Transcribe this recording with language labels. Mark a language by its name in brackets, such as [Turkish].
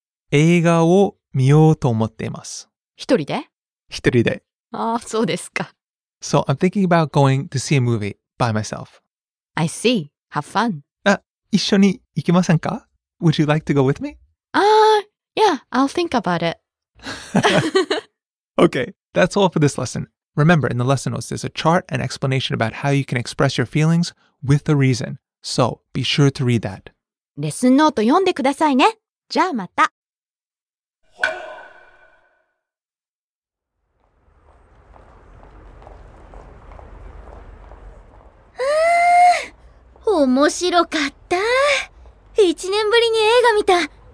[Japanese] 映画を見ようと思っています。人で？一人で。ああ、そうですか。 [English] So I'm thinking about going to see a movie by myself. I see. Have fun. [Japanese] 一緒に行きませんか？ [English] Would you like to go with me? Yeah, I'll think about it. Okay, that's all for this lesson. Remember, in the lesson notes, there's a chart and explanation about how you can express your feelings with a reason. So, be sure to read that. [Japanese] レッスンノート読んでくださいね。じゃあまた。あー、面白かった。1年ぶりに映画見た。